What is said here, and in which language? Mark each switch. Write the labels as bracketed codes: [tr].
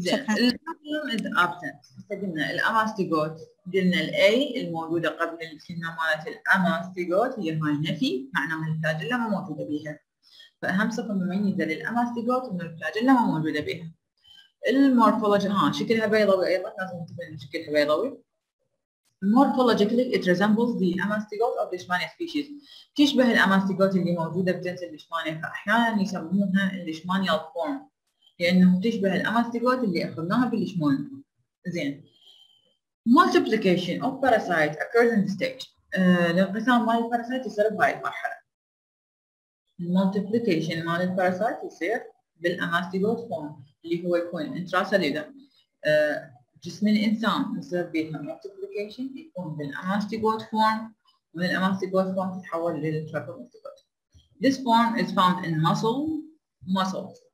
[en] الكامبيوم is absent. [ar] قلنا الأماستيغوت قلنا الأي الموجودة قبل الكلمة مالت الأماستيغوت هي هاي نفي معناها الفلاجيلا ما موجودة بها. فأهم صفة مميزة للأماستيغوت إنه الفلاجيلا ما موجودة بها. المورفولوجي ها شكلها بيضاوي أيضا لازم تبين شكلها بيضاوي. [en] Morphologically it resembles the amastigote of Leishmania species. [ar] تشبه الأماستيغوت اللي موجودة بجنس الليشمانيا فأحيانا يسمونها الليشمانيال فورم لأنه تشبه الأماستيغوت اللي أخذناها بالليشمون. [en] زين Multiplication of parasite occurs in the stage. [ar] الانقسام مال الباراسايت يصير بهاي المرحلة. Multiplication مال الباراسايت يصير بالأماستيغوت فورم اللي هو يكون intracellular. جسم الإنسان يصير بها multiplication يكون بالأماستيغوت فورم ومن الأماستيغوت فورم تتحول للتراكوماستيغوت. [en] This form is found in muscles.